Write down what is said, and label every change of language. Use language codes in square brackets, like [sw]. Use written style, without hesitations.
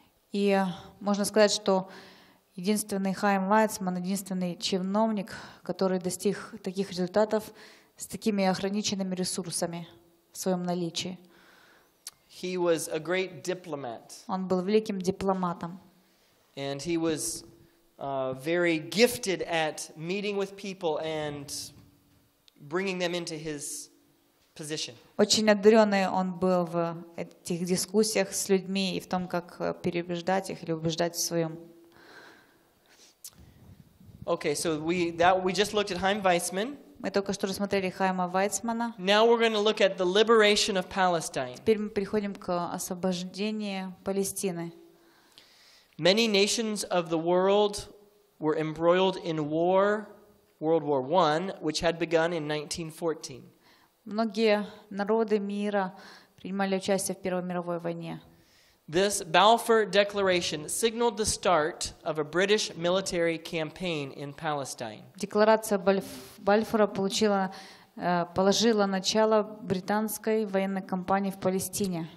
[ru] И можно сказать, что единственный Хаим Зимерман, единственный чиновник, который достиг таких результатов с такими ограниченными ресурсами в своем наличии. [en] He was a great diplomat. [ru] Он был великим дипломатом. [en] And he was very gifted at meeting with people and bringing them into his position. [ru] Очень одаренный он был в этих дискуссиях с людьми и в том, как переубеждать их или убеждать в своем. [en] Okay, so we just looked at Chaim Weizmann. [ru] Мы только что рассмотрели Хаима Зимермана. [en] Now we're going to look at the liberation of Palestine. [ru] Теперь мы переходим к освобождению Палестины. [en] Many nations of the world were embroiled in war, World War I, which had begun in 1914. [ru] Многие народы мира принимали участие в Первой мировой войне. [en] This Balfour Declaration signaled the start of a British military campaign in Palestine. [ru] Декларация Бальфура положила начало британской военной кампании в Палестине.